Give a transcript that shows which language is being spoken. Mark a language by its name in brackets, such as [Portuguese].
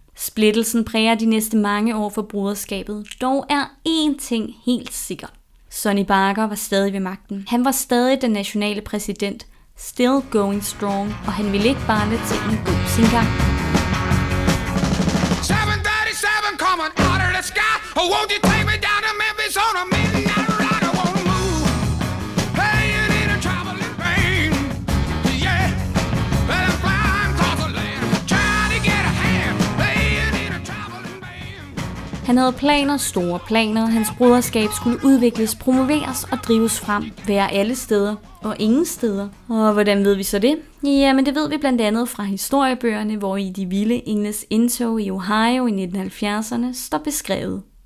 [Danish] Splittelsen præger de næste mange år for broderskabet, dog er én ting helt sikkert. Sonny Barker var stadig ved magten. Han var stadig den nationale præsident. [English] Still going strong. [Danish] Og han ville ikke bare lade tingene gå sin gang. [English] 737 coming out of the sky. Oh, won't you take me down to Memphis on a midnight ride? I won't move. Hey, you need a traveling brain. Yeah. Well, I'm flying across the land. Try to get a hand. Hey, you need a traveling brain. [Danish] Han havde planer, store planer. Hans broderskab skulle udvikles, promoveres og drives frem. Være alle steder og ingen steder. Og hvordan ved vi så det? Jamen det ved vi blandt andet fra historiebøgerne, hvor i de vilde engles indtog i Ohio i 1970'erne står beskrevet.